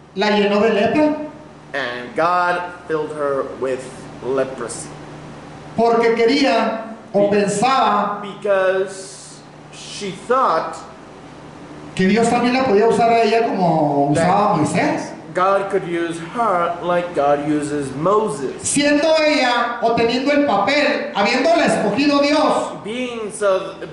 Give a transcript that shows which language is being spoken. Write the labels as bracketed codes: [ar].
[es] la llenó de lepra [en] and God filled her with leprosy [es] porque quería o pensaba [en] because she thought [es] que Dios también la podía usar a ella como usaba a Moisés. [en] God could use her like God uses Moses. [es] Siendo ella o teniendo el papel, habiéndola escogido Dios.